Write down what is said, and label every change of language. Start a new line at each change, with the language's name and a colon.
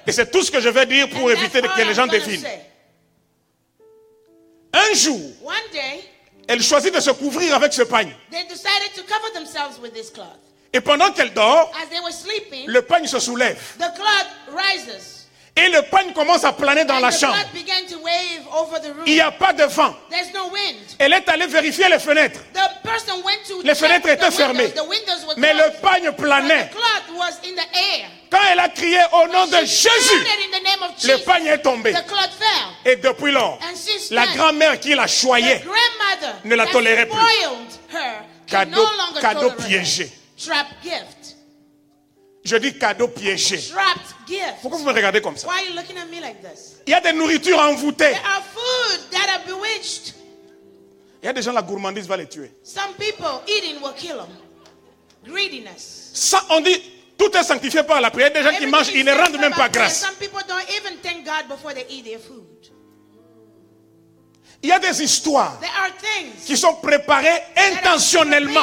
French: Et c'est tout ce que je vais dire pour
English: and
French: éviter que les gens devinent. Un jour,
English: one day,
French: elle choisit de se couvrir avec ce pagne.
English: They decided to cover themselves with this cloth.
French: Et pendant qu'elle dort,
English: as they were sleeping,
French: le pagne se soulève.
English: The cloth rises.
French: Et le pagne commence à planer dans
English: and
French: la chambre.
English: Began to wave over the room.
French: Il n'y a pas de vent.
English: There's no wind.
French: Elle est allée vérifier les fenêtres.
English: The person went to
French: les fenêtres
English: check
French: étaient fermées.
English: Windows. The windows were closed.
French: Mais le pagne planait.
English: But the cloth was in the air.
French: Quand elle a crié au nom de Jésus,
English: in the name of Jesus,
French: le pagne est tombé.
English: The cloth fell.
French: Et depuis lors,
English: and she stand,
French: la grand-mère qui la choyait
English: the grandmother
French: ne la tolérait
English: that
French: plus.
English: Spoiled her,
French: cadeau,
English: no longer
French: cadeau piégé.
English: Trap gift.
French: Je dis cadeau piégé.
English: Trapped gift.
French: Pourquoi vous me regardez comme ça?
English: Why are you looking at me like this?
French: Il y a des nourritures envoûtées.
English: There are food that are bewitched.
French: Il y a des gens, la gourmandise va les tuer.
English: Some people eating will kill them. Greediness.
French: Ça, on dit, tout est sanctifié par la prière. Il y a des gens qui mangent, ils ne rendent même pas grâce.
English: Some people don't even thank God before they eat their food.
French: Il y a des histoires
English: there are things
French: qui sont préparées intentionnellement.